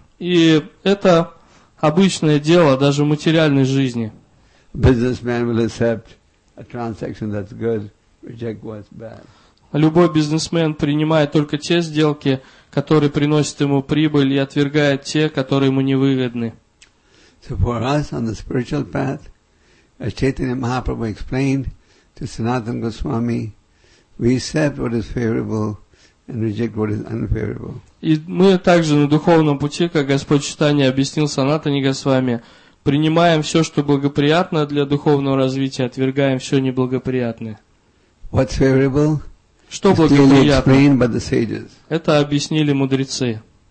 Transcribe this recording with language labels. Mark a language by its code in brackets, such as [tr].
[ru] И это обычное дело даже в материальной жизни. [en] A businessman will accept a transaction that's good, reject what's bad. [ru] Любой бизнесмен принимает только те сделки, которые приносят ему прибыль, и отвергает те, которые ему невыгодны. [en] So for us on the spiritual path, as Chaitanya Mahaprabhu explained to Sanatana Goswami, we accept what is favorable and reject what is unfavorable. [ru] И мы также на духовном пути, как Господь Чайтанья объяснил Санатане Госвами, принимаем все, что благоприятно для духовного развития, отвергаем все неблагоприятное. [en] What's favorable? [ru] Что благоприятно? Это объяснили мудрецы.